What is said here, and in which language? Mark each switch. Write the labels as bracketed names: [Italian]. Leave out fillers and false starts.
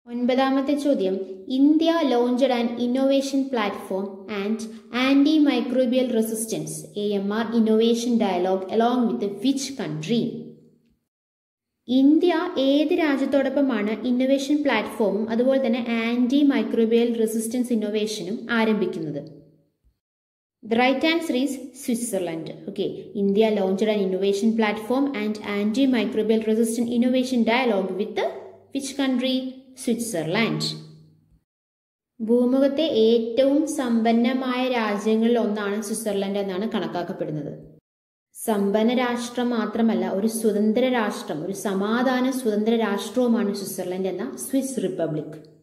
[English] 9th question, India launched an innovation platform antimicrobial resistance AMR innovation dialogue along with which country? [Malayalam] India ഏത് രാജ്യത്തോടൊപ്പമാണ് innovation പ്ലാറ്റ്ഫോമും അതുപോലെ തന്നെ anti microbial resistance ഇന്നോവേഷനും ആരംഭിക്കുന്നത്? [English] The right answer is Switzerland. Okay, India launched an innovation platform and antimicrobial resistant innovation dialogue with which country? Switzerland. [Malayalam] ഭൂമുഖത്തെ ഏറ്റവും സമ്പന്നമായ രാജ്യങ്ങളിൽ ഒന്നാണ് Switzerland എന്നാണ് കണക്കാക്കപ്പെടുന്നത്. സമ്പന്ന രാഷ്ട്രം മാത്രമല്ല, ഒരു സ്വതന്ത്ര രാഷ്ട്രം, ഒരു സമാധാന സ്വതന്ത്ര രാഷ്ട്രവുമാണ് സ്വിറ്റ്സർലൻഡ് എന്ന സ്വിസ് റിപ്പബ്ലിക്.